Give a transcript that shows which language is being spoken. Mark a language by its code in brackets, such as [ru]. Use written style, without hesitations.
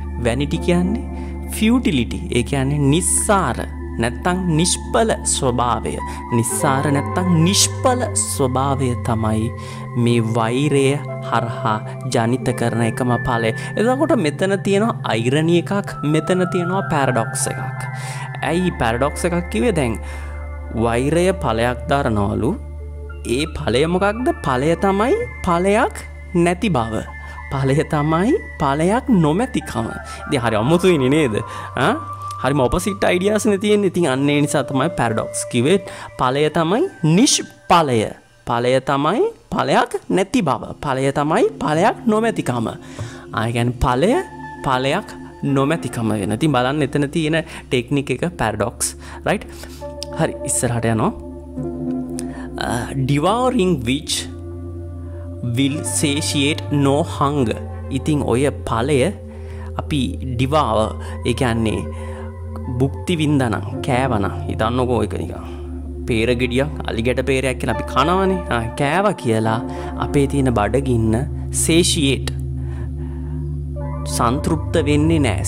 [en] Vanity [si] කියන්නේ [en] futility. [si] ඒ කියන්නේ නිස්සාර නැත්තම් නිෂ්ඵල ස්වභාවය. නිස්සාර නැත්තම් නිෂ්ඵල ස්වභාවය තමයි මේ වෛරය හරහා ජනිත කරන එකම ඵලය. එතකොට මෙතන තියෙනවා අයිරණි එකක්, මෙතන තියෙනවා පැරඩොක්ස් එකක්. ඇයි පැරඩොක්ස් එකක් කිව්වේ? දැන් වෛරය ඵලයක් දරනවලු. ඒ ඵලය මොකක්ද? ඵලය තමයි ඵලයක් නැති බව. ඵලය තමයි ඵලයක් නොමැතිකම. ඉතින් හරි අමුතුයිනේ නේද? ආ හරිම ඔපොසිට් ඐඩියාස්නේ තියෙන්නේ. ඉතින් අන්න ඒ නිසා තමයි පැරඩොක්ස් කිව්වේ. ඵලය තමයි නිෂ්ඵලය. ඵලය තමයි ඵලයක් නැති බව. ඵලය තමයි ඵලයක් නොමැතිකම. ආ කියන්නේ ඵලය ඵලයක් නොමැතිකම වෙන. ඉතින් බලන්න එතන තියෙන ටෙක්නික් එක පැරඩොක්ස්. රයිට්. හරි ඉස්සරහට යනවා. [en] Devouring which will satiate no hunger. [si] ඉතින් ඔය ඵලය අපි ඩිවාව, ඒ කියන්නේ භුක්ති විඳනන් කෑවනම් හිතන්නකෝ, එක නිකන් පේර ගෙඩියක්, අලිගැට පේරයක් කියලා අපි කනවනේ. ආ කෑවා කියලා අපේ තියෙන බඩගින්න සේෂියේට් සන්තෘප්ත වෙන්නේ නැහැ.